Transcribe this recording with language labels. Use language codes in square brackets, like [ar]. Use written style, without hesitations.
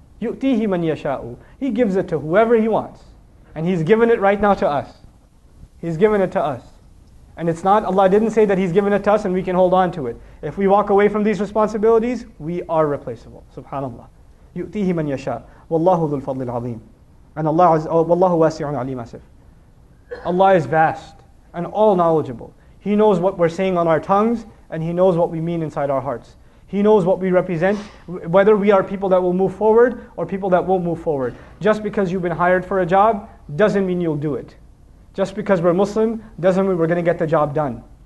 [ar] يُؤْتِيهِ مَنْ يَشَاءُ. [en] He gives it to whoever He wants. And He's given it right now to us. He's given it to us. And it's not, Allah didn't say that He's given it to us and we can hold on to it. If we walk away from these responsibilities, we are replaceable. [ar] SubhanAllah. يُؤْتِيهِ مَنْ يَشَاءُ. وَاللَّهُ ذُو الْفَضْلِ الْعَظِيمِ. And Allah is, وَاللَّهُ وَاسِعٌ عَلِيمٌ أَسِفْ. [en] Allah is vast and all knowledgeable. He knows what we're saying on our tongues and He knows what we mean inside our hearts. He knows what we represent, whether we are people that will move forward or people that won't move forward. Just because you've been hired for a job doesn't mean you'll do it. Just because we're Muslim doesn't mean we're going to get the job done.